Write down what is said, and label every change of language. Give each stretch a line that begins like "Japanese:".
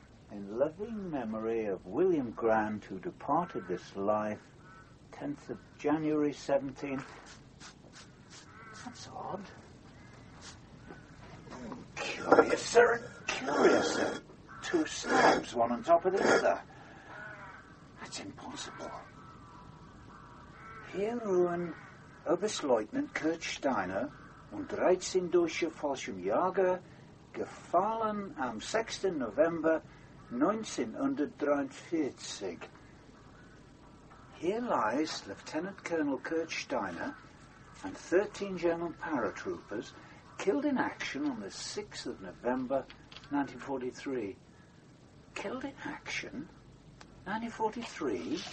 English: In loving memory of William Grant, who departed this life, 10th of January, 17... That's odd. Curious, sir, and curious, sir. Two stamps, one on top of the other. That's impossible.
German: Hier ruhen Oberstleutnant Kurt Steiner und 13 Deutsche Fallschirmjäger gefallen am 6. November 1943.
English: Here lies Lieutenant Colonel Kurt Steiner and 13 German paratroopers killed in action on the 6th of November 1943. Killed in action? 1943?